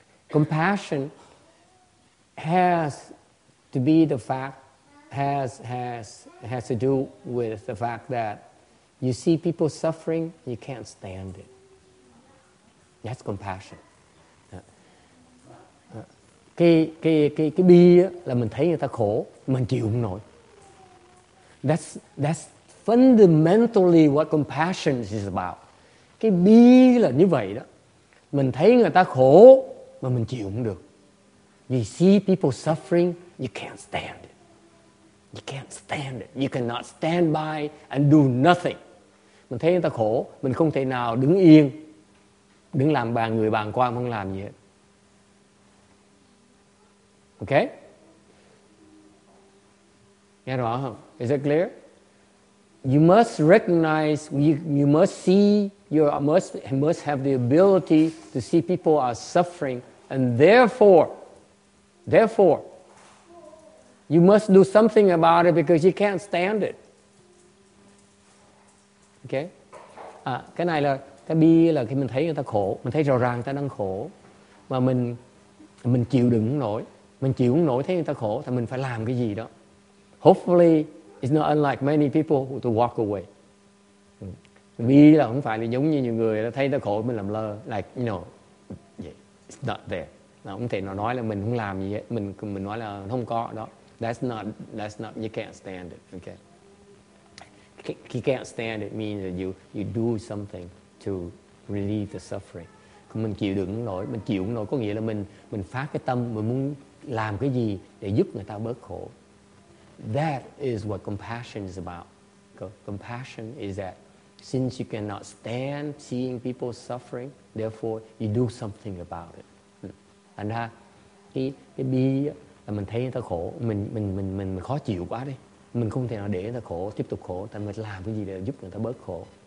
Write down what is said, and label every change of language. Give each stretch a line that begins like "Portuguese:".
English: Compassion has to be the fact has to do with the fact that you see people suffering, you can't stand it. That's compassion.
Vietnamese: Cái bi là mình thấy người ta khổ, mình chịu không nổi.
English: That's fundamentally what compassion is about.
Vietnamese: Cái bi là như vậy đó. Mình thấy người ta khổ mà mình chịu không được.
English: You see people suffering, you can't stand it. You can't stand it. You cannot stand by and do nothing.
Vietnamese: Mình thấy người ta khổ, mình không thể nào đứng yên. Đứng làm bàn người bàn qua không làm gì hết.
English: Okay?
Vietnamese: Nghe rõ không?
English: Is it clear? You must recognize, you must see, you must have the ability to see people are suffering, and therefore, you must do something about it because you can't stand it. Okay?
Vietnamese: À, cái này là cái bi là khi mình thấy người ta khổ, mình thấy rõ ràng người ta đang khổ, mà mình chịu đựng không nổi, mình chịu không nổi thấy người ta khổ, thì mình phải làm cái gì đó.
English: Hopefully, it's not unlike many people to walk away.
Vietnamese: Bi là không phải là giống như nhiều người là thấy người ta khổ mình làm lơ,
English: like you know, yeah, it's not there.
Vietnamese: Nó không thể nói là mình không làm gì hết, mình nói là không có đó.
English: That's not you can't stand it. Okay. You can't stand it means that you do something to relieve the suffering.
Vietnamese: Còn mình chịu đựng nổi, mình chịu nổi có nghĩa là mình phát cái tâm, mình muốn làm cái gì để giúp người ta bớt khổ.
English: That is what compassion is about. Compassion is that since you cannot stand seeing people suffering, therefore you do something about it.
Vietnamese: Thành ra cái bi là mình thấy người ta khổ, mình khó chịu quá đi, mình không thể nào để người ta khổ, tiếp tục khổ, thì mình làm cái gì để giúp người ta bớt khổ.